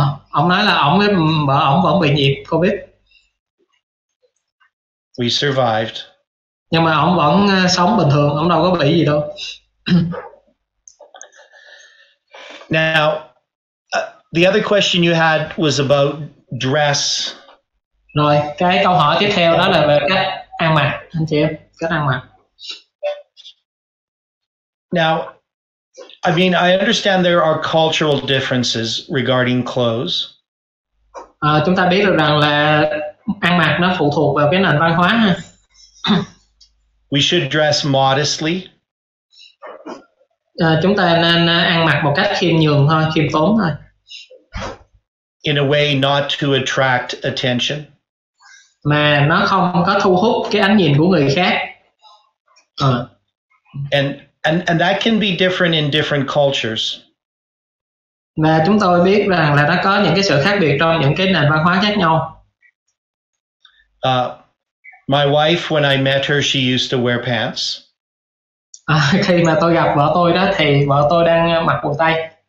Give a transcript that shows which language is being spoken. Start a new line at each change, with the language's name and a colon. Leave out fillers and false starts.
Vietnamese: Ông nói là ông vẫn bị nhiễm COVID.
English: We survived.
Vietnamese: Nhưng mà ông vẫn sống bình thường, ông đâu có bị gì đâu.
English: Now, the other question you had was about dress.
Vietnamese: Rồi, cái câu hỏi tiếp theo đó là về cách ăn mặc, anh chị em, cách ăn mặc.
English: Now, I mean, I understand there are cultural differences regarding clothes.
Vietnamese: Chúng ta biết được rằng là ăn mặc nó phụ thuộc vào cái nền văn hóa.
English: We should dress modestly.
Vietnamese: Chúng ta nên ăn mặc một cách khiêm nhường thôi, khiêm tốn thôi.
English: In a way not to attract attention.
Vietnamese: Mà nó không có thu hút cái ánh nhìn của người khác.
English: And that can be different in different cultures.
Vietnamese: Mà chúng tôi biết rằng là nó có những cái sự khác biệt trong những cái nền văn hóa khác nhau.
English: My wife, when I met her, she used to wear pants.
Vietnamese: Khi mà tôi gặp vợ tôi đó thì vợ tôi đang mặc quần tây.